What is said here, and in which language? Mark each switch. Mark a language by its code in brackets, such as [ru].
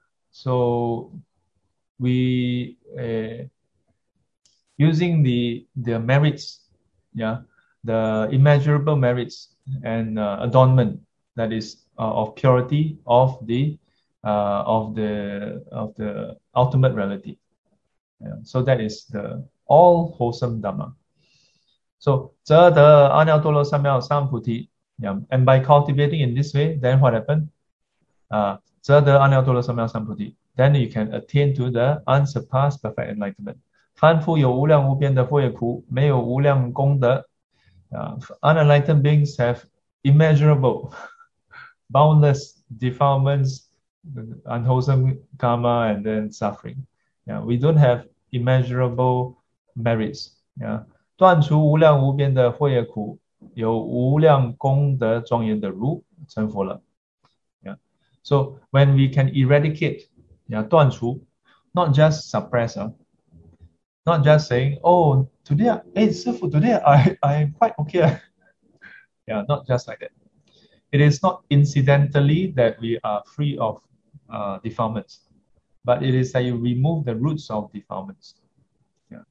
[en] So we using the merits, yeah, the immeasurable merits and adornment that is of purity of the of the ultimate reality. Yeah. So that is the all wholesome Dhamma. [zh] So, 则得阿耨多罗三藐三菩提. [en] Yeah. And by cultivating in this way, then what happened? [zh] 则得阿耨多罗三藐三菩提. [en] Then you can attain to the unsurpassed perfect enlightenment. [zh] 凡夫有无量无边的惑业苦，没有无量功德。 [en] Unenlightened beings have immeasurable, boundless defilements, unwholesome karma, and then suffering. Yeah, we don't have immeasurable merits. [zh] Yeah, 断除无量无边的惑业苦，有无量功德庄严的如成佛了。 [en] Yeah, so when we can eradicate, yeah, 断除, not just suppress, not just saying, oh, today, hey, 师父, today I'm quite okay. Yeah, not just like that. It is not incidentally that we are free of defilements, but it is that you remove the roots of defilements. Yeah.